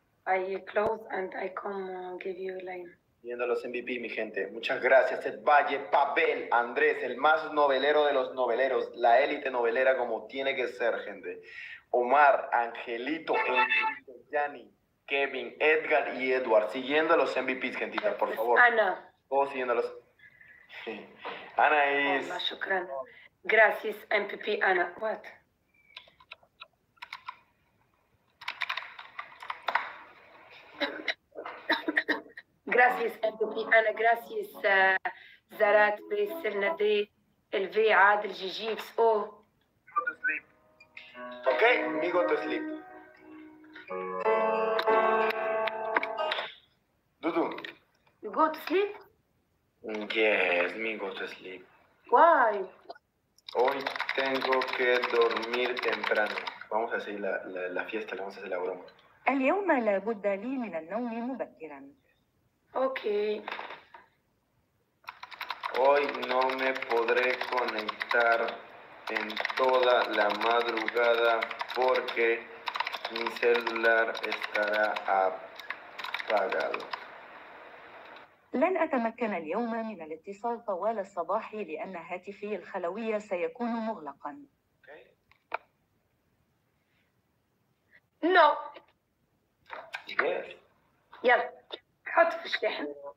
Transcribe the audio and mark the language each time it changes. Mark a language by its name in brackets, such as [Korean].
[English] I close and I come give you a line. [Spanish] Viendo los MVP, mi gente. Muchas gracias, Ed Valle, Pavel, Andrés, el más novelero de los noveleros. La élite novelera como tiene que ser, gente. Omar, Angelito, Enrique, Gianni, Kevin, Edgar y Edward. Siguiendo los MVP, gentita, por favor. Ana. Todos siguiendo los... Ana es... Oh, gracias, MVP, Ana. [English] What? [Spanish] Gracias, Ana. Gracias, Zarat, Bess, El Nadé, El V, Ad, El Jijix. Oh. [English] Ok, me go to sleep. Dudu. You go to sleep? Yes, me go to sleep. Why? [Spanish] Hoy tengo que dormir temprano. Vamos a hacer la fiesta, vamos a hacer la broma. [Arabic] اليوم لابد لي من النوم مبكرا. [English] Okay. [Spanish] Hoy no me podré conectar en toda la madrugada porque mi celular estará apagado. [Arabic] لن أتمكن اليوم من الاتصال طوال الصباح لأن هاتفي الخلوي سيكون مغلقا. [English] No. Yes. Yes. [Arabic] حط في الشحن.